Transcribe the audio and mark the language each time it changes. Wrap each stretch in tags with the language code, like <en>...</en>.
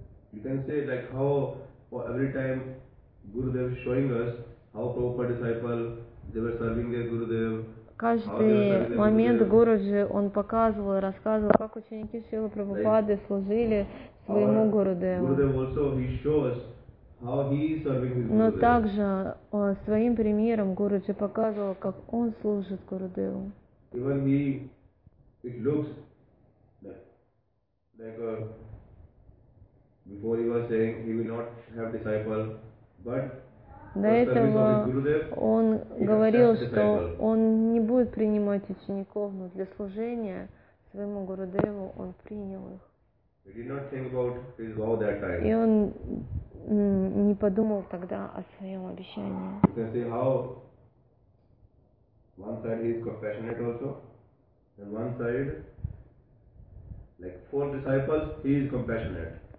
<en>You can say like how for every time Gurudev showing us how Prabhupada disciple they were serving their Gurudev.</en> <ru>Каждый момент Гуруджи он показывал, рассказывал, как ученики Шрилы Прабхупады служили своему Гурудеву.</ru> <en>Gurudev also he shows how he is serving his Gurudev.</en> <ru>Но также своим примером Гуруджи показывал, как он служит Гурудеву.</ru> <en>Even he, it looks like a before he was saying he will not have disciple, but</en> <ru>до этого он говорил, что он не будет принимать учеников, но для служения своему Гурудеву он принял их.</ru> <en>He did not think about his vow that time.</en> <ru>И он не подумал тогда о своем обещании.</ru> <en>You can see how one side he is compassionate also, and one side like four disciples he is compassionate.</en>